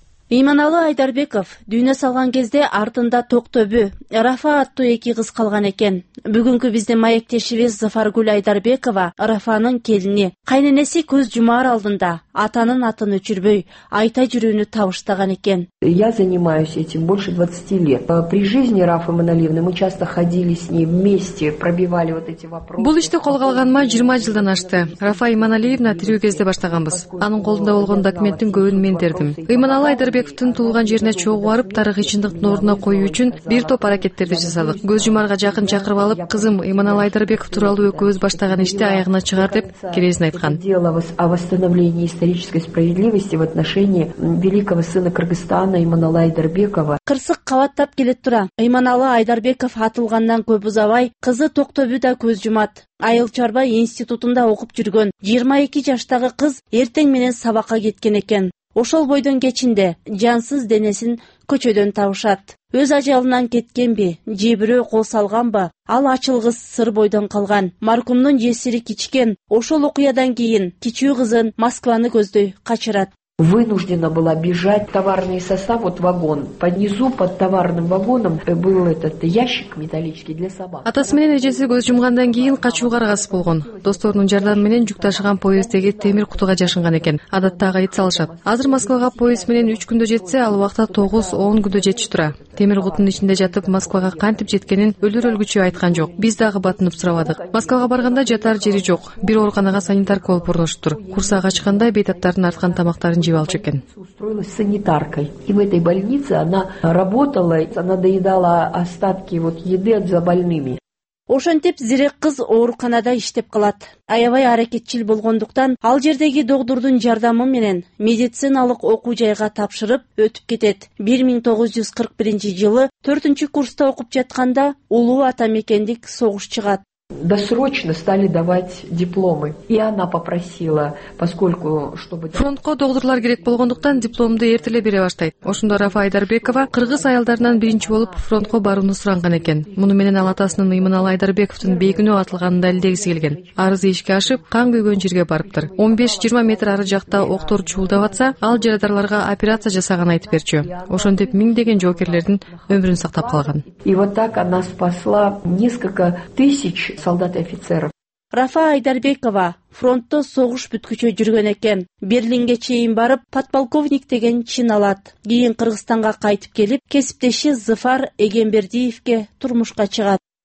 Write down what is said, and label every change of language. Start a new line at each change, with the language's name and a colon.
Kyrgyz: Иманалы Айдарбеков дүйнө салган кезде артында Токтөбү, Рафа аттуу эки кыз калган экен. Бүгүнкү биздин маектешибиз Зафаргүл Айдарбекова Рафанын келини. Кайненеси көз жумаар алдында атанын атын өчүрбөй айта жүрүүнү табыштаган экен.
Russian: Я занимаюсь этим больше 20 лет. При жизни Рафы Эмманалиевны мы часто ходили с ней вместе, пробивали вот эти вопросы.
Kyrgyz: Бул иште колго алганыма 20 жылдан ашты. Рафа Эмманалиевна тирүү кезде баштаганбыз. Анын колунда болгон документтин көбүн мен тердим. Эйманалы Айдарбековтун туулган жерине чогуу барып, тарыхый чындыктын ордуна коюу үчүн бир топ аракеттерди жасадык. Көз жумарга жакын чакырып алып, кызым Эйманалы Айдарбеков тууралуу экөөбүз баштаган иште аягына чыгар деп керезин айткан.
Russian: Исторической справедливости в отношении великого сына Кыргызстана Эйманалы Айдарбекова.
Kyrgyz: Кырсык кабаттап келет тура. Эйманалы Айдарбеков атылгандан көп узабай, кызы Токтобүдө көз жумат. Айыл Чарба институтунда окуп жүргөн 22 жаштагы кыз эртең менен сабакка кеткен экен. Ошол бойдон кечинде жансыз денесин көчөдөн табышат. Өз ажалынан кеткенби, же бирөө кол салганбы, ал ачылгыс сыр бойдон калган. Маркумдун жесири кичкен, ошол окуядан кийин кичүү кызын Москваны көздөй качырат.
Russian: Вынуждена была бежать. Товарный состав, вот вагон. Поднизу под товарным вагоном был этот ящик металлический для собак.
Kyrgyz: Атасы менен эжеси көз жумгандан кийин качууга аргасыз болгон. Досторунун жардамы менен жүк ташыган поезддеги темир кутуга жашынган экен. Адатта ага ит салышат. Азыр Москвага поезд менен 3 күндө жетсе, ал убакта 9-10 күндө жетиши тура. Темир кутунун ичинде жатып Москвага кантип жеткенин өлүр өлгүчө айткан жок. Биз дагы батынып сурабадык. Москвага барганда жатар жери жок. Бир ооруканага санитарка болуп орноштур. Курсагы ачканда бейтаптардын арткан тамактары жевалчы экен.
Russian: Устроилась санитаркой. И в этой больнице она работала, она доедала остатки вот еды за больными.
Kyrgyz: Ошентип зирек кыз ооруканада иштеп калат. Аябай аракетчил болгондуктан ал жердеги доктурдун жардамы менен медициналык окуу жайга тапшырып өтүп кетет. 1941 жылы 4-чү курста окуп жатканда улуу ата мекендик согуш чыгат.
Russian: Досрочно стали давать дипломы. И она попросила, поскольку... чтобы
Kyrgyz: фронтко доктурлар керек болгондуктан дипломду эрте эле бере баштайт. Ошондо Рафа Айдарбекова кыргыз аялдарынан биринчи болуп фронтко барууну суранган экен. Муну менен ал атасынын Эйманалы Айдарбековдун бейкүнөө атылганын далилдегиси келген. Арызы ишке ашып, кан көйгөн жерге барыптыр. 15-20 метр ары жакта октор чуулдап атса, ал жарадарларга операция жасаганын айтып берчү. Ошондеп миңдеген жоокерлердин өмүрүн сактап калган.
Russian: И вот так она спасла несколько тысяч солдат и офицеров.
Kyrgyz: Рафа Айдарбекова фронтто согуш бүткүчө жүргөн экен. Берлинге чейин барып подполковник деген чин алат. Кийин Кыргызстанга кайтып келип, кесиптеши Зыфар Эгенбердиевке турмушка чыгат.